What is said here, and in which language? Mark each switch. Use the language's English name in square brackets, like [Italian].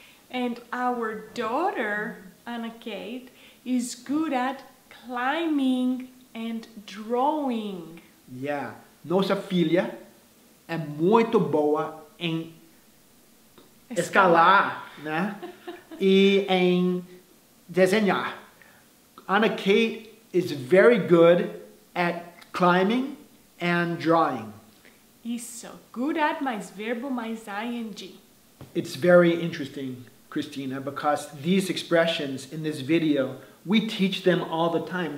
[English] And our daughter, Anna Kate, is good at climbing and drawing. Yeah. [Portuguese] Nossa filha é muito boa em escalar, né? E em desenhar. [English] Anna Kate is very good at climbing and drawing. [Portuguese] Isso. Good at mais verbo mais ing. [English] It's very interesting, Cristina, because these expressions in this video, we teach them all the time.